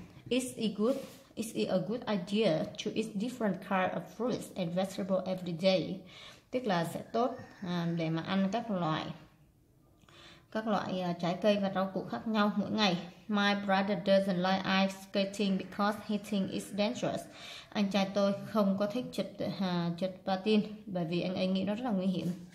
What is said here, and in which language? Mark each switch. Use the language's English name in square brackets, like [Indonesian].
[English] Is it a good idea to eat different kind of fruits and vegetables every day? [Vietnamese] Tức là sẽ tốt để mà ăn các loại trái cây và rau củ khác nhau mỗi ngày. [English] My brother doesn't like ice skating because he thinks it's dangerous. [Vietnamese] Anh trai tôi không có thích trượt patin bởi vì anh ấy nghĩ nó rất là nguy hiểm.